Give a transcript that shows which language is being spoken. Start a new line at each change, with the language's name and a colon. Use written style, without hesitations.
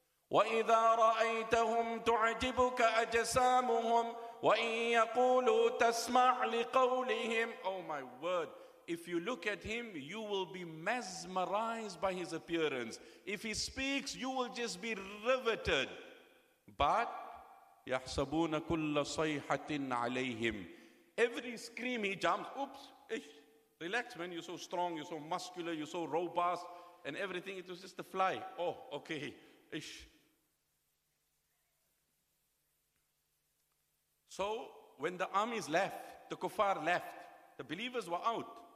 Arabic: وَإِذَا رَأَيْتَهُمْ تُعْجِبُكَ أَجْسَامُهُمْ وَإِنْ يَقُولُوا تَسْمَعْ لِقَوْلِهِمْ.
English: Oh my word. If you look at him, you will be mesmerized by his appearance. If he speaks, you will just be riveted. But
Arabic: يَحْسَبُونَ كُلَّ صَيْحَةٍ عَلَيْهِمْ.
English: Every scream he jumps, oops, relax man, you're so strong, you're so muscular, you're so robust, and everything, it was just a fly. Oh, okay, So when the armies left, the kuffar left, the believers were out.